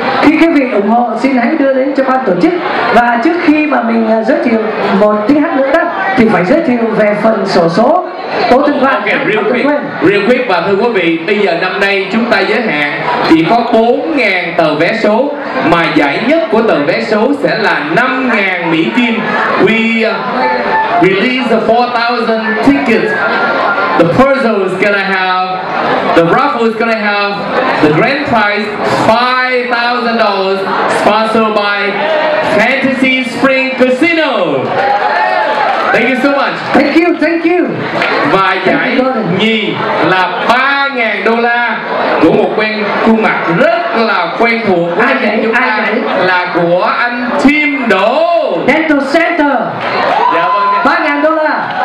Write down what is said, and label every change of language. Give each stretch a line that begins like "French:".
Vietnamese: Khi quý vị ủng hộ, xin hãy đưa đến cho ban tổ chức. Và trước khi mà mình giới thiệu một tiếng hát nữa đó, thì phải giới thiệu về phần xổ số.
English: Real quick
Vietnamese: và thưa quý vị, bây giờ năm nay chúng ta giới hạn chỉ có 4,000 tờ vé số, mà giải nhất của tờ vé số sẽ là 5,000 Mỹ Kim.
English: We release the 4,000 tickets. The person is gonna have, the raffle is gonna have the grand prize $5,000 sponsored by Fantasy Spring Casino. Thank you so much. Thank you.
Vietnamese: Và giải nhì là $3,000 của một quen khuôn mặt rất là quen thuộc của anh chúng ta, là của anh Tim Đỗ
English: Dental Center.
Vietnamese: Dạ vâng. $3,000